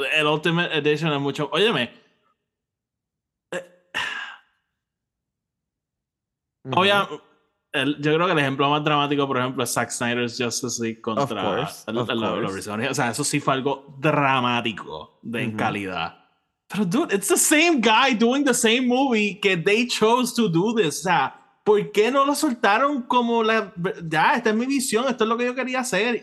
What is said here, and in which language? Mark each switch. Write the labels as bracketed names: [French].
[Spanish] El Ultimate Edition es mucho... Óyeme. Uh-huh. Oye, yo creo que el ejemplo más dramático, por ejemplo, es Zack Snyder's Justice League contra la original. O sea, eso sí fue algo dramático de uh-huh. calidad. Pero, [English] dude, it's the same guy doing the same movie [Spanish] que [English] they chose to do this. [Spanish] O sea, ¿por qué no lo soltaron como la... Ya, esta es mi visión, esto es lo que yo quería hacer.